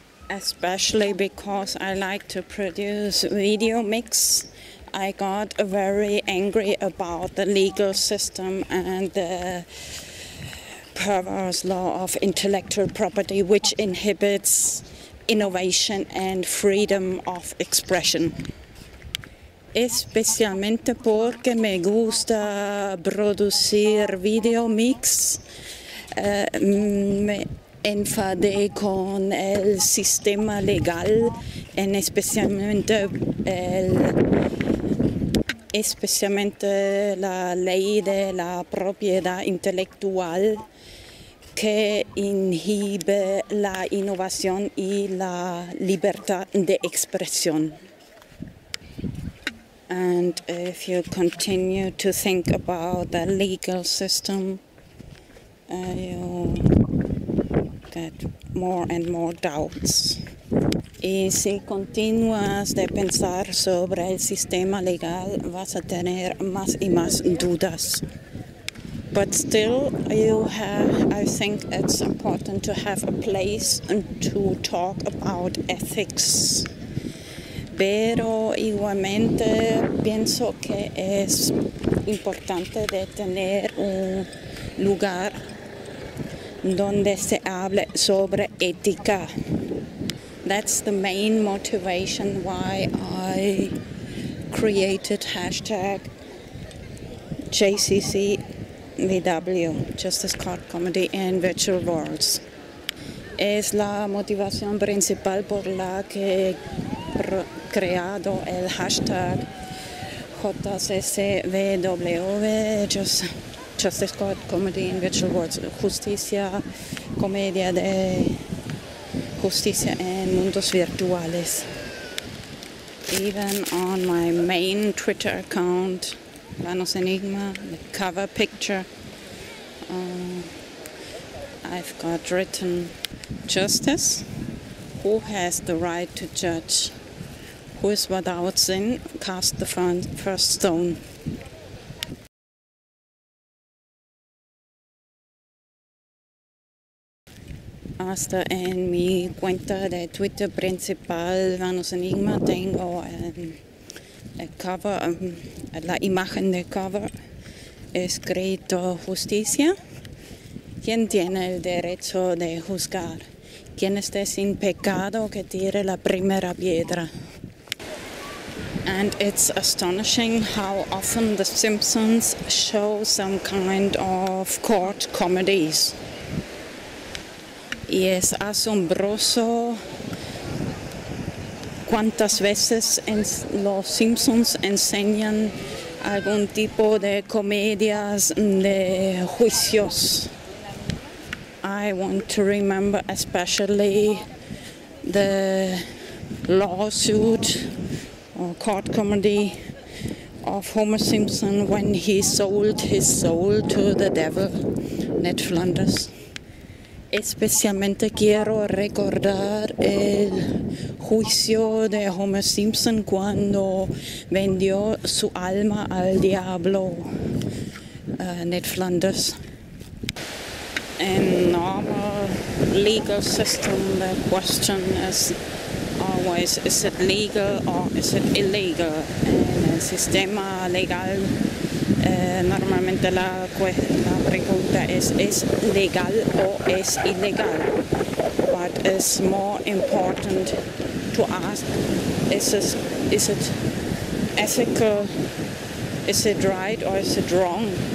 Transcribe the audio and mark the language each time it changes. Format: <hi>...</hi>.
<en>Especially because I like to produce video mix, I got very angry about the legal system and the perverse law of intellectual property, which inhibits innovation and freedom of expression.</en> <es>Especialmente porque me gusta producir video mix, me enfadé con el sistema legal, en especialmente la ley de la propiedad intelectual, que inhibe la innovación y la libertad de expresión.</es> <en>And if you continue to think about the legal system, you get more and more doubts.</en> <es>Y si continúas de pensar sobre el sistema legal, vas a tener más y más dudas.</es> <en>But still, I think it's important to have a place to talk about ethics.</en> <es>Pero igualmente pienso que es importante de tener un lugar donde se hable sobre ética.</es> <en>That's the main motivation why I created hashtag JCCVW, Justice Court Comedy in Virtual Worlds.</en> <es>Es la motivación principal por la que creado el hashtag JCCVW, Justice Court Comedy in Virtual Worlds, Justicia, Comedia de Justicia en Mundos Virtuales.</es> <en>Even on my main Twitter account, Planos Enigma, the cover picture, I've got written Justice, who has the right to judge? Who is without sin, cast the first stone.</en> <es>Hasta en mi cuenta de Twitter principal, Vanos Enigma, tengo la imagen de cover escrito Justicia. ¿Quién tiene el derecho de juzgar? ¿Quién esté sin pecado que tire la primera piedra?</es> <en>And it's astonishing how often The Simpsons show some kind of court comedies.</en> <es>Y es asombroso cuántas veces los Simpsons enseñan algún tipo de comedias de juicios.</es> <en>I want to remember especially the lawsuit or court comedy of Homer Simpson when he sold his soul to the devil, Ned Flanders.</en> <es>Especialmente quiero recordar el juicio de Homer Simpson cuando vendió su alma al diablo, Ned Flanders.</es> <en>In normal legal system, the question is always, is it legal or is it illegal?</en> <es>En el sistema legal, normalmente la pregunta es legal o es ilegal?</es> <en>But it's more important to ask, is it ethical, is it right or is it wrong?</en>